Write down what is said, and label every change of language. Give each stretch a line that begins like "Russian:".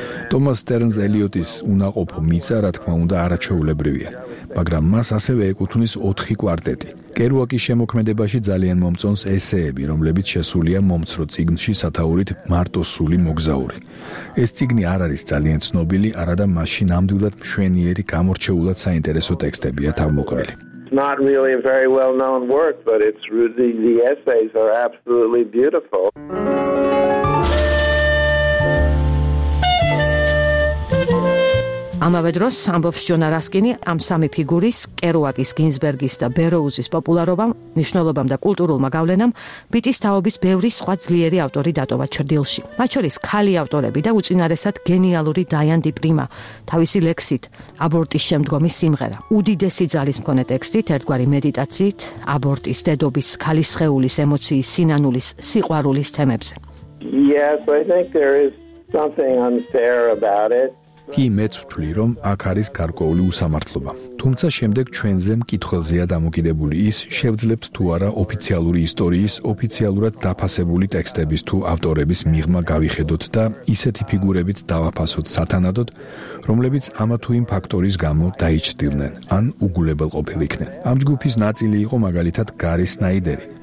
Georgian: ტომას სტერნს ელიოტის უნაყოფო მიწა, რა თქმა უნდა, არაჩვეულებრივია, მაგრამ მას ასევე ეკუთვნის 4 კვარტეტი. კერუაკის შემოქმედებაში ძალიან მომწონს ესეები, რომლებიც შესულია მომცრო წიგნში სათაურით „მარტო სული მოგზაური“. ეს წიგნი არ არის ძალიან ცნობილი, არადა მასში ნამდვილად მშვენიერი, გამორჩეულად საინტერესო ტექსტებია თავმოყრილი.
English: Not really a very well-known work, but it's really the essays are absolutely beautiful.
Georgian: ამავე დროს ამბობს ჯონა რასკინი, ამ სამი ფიგურის, კერუაკის, გინსბერგის და ბეროუზის პოპულარობამ, მნიშვნელობამ და კულტურულმა გავლენამ ბიტის თაობის ბევრი სხვა ძლიერი ავტორი დატოვა ჩრდილში. მათ შორის ქალი ავტორები და უწინარესად გენიალური დაიან დიპრიმა, თავისი ლექსით „აბორტის შემდგომი სიმღერა“, უდიდესი ძალის მქონე ტექსტით, ერთგვარი მედიტაციით, აბორტის, დედობის, ქალის სხეულის, ემოციის, სინანულის, სიყვარულის თემებზე.
English: Yes, I think there is something unfair about it.
Georgian: კი, მეც ვთვლი, რომ აქ არის გარკვეული უსამართლობა. თუმცა შემდეგ ჩვენზე მკითხველზეა დამოკიდებული ის, შევძლებთ თუ არა ოფიციალური ისტორიის, ოფიციალურად დაფასებული ტექსტების თუ ავტორების მიღმა გავიხედოთ და ისეთი ფიგურებით დავაფასოთ სათანადოდ, რომლებიც ამა თუ იმ ფაქტორის გამო დაიჭრდილნენ ან უგულებელყოფილ იქნენ. ამ ჯგუფის ნაწილი იყო მაგალითად გარი სნაიდერი,